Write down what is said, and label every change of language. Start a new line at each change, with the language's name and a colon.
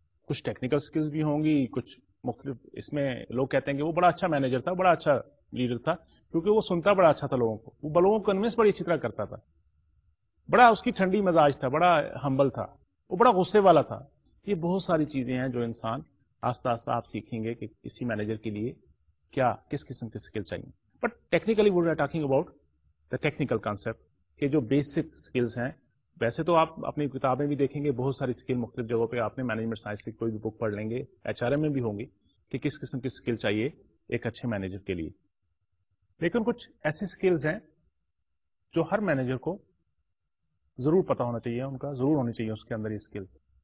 Urdu: کچھ technical skills بھی ہوں گی, کچھ مختلف اس میں لوگ کہتے ہیں کہ وہ بڑا اچھا مینیجر تھا, بڑا اچھا لیڈر تھا, کیونکہ وہ سنتا بڑا اچھا تھا لوگوں کو, وہ لوگوں کو کنوینس بڑی اچھی طرح کرتا تھا, بڑا اس کی ٹھنڈی مزاج تھا, بڑا ہمبل تھا, وہ بڑا غصے والا تھا. یہ بہت ساری چیزیں ہیں جو انسان آہستہ آہستہ آپ سیکھیں گے کہ کسی مینیجر کے لیے کیا کس قسم کے اسکل چاہیے.
English: but technically we are talking about the technical concept,
Urdu: کہ جو بیسک اسکلس ہیں. ویسے تو آپ اپنی کتابیں بھی دیکھیں گے, بہت ساری اسکل مختلف جگہوں پہ آپ نے مینجمنٹ سائنس سے کوئی بھی بک پڑھ لیں گے, ایچ آر ایم میں بھی ہوں گی, کہ کس قسم کی اسکل چاہیے ایک اچھے مینیجر کے لیے. لیکن کچھ ایسی اسکلز ہیں جو ہر مینیجر کو ضرور پتا ہونا چاہیے, ان کا ضرور ہونی چاہیے اس کے اندر یہ اسکلز.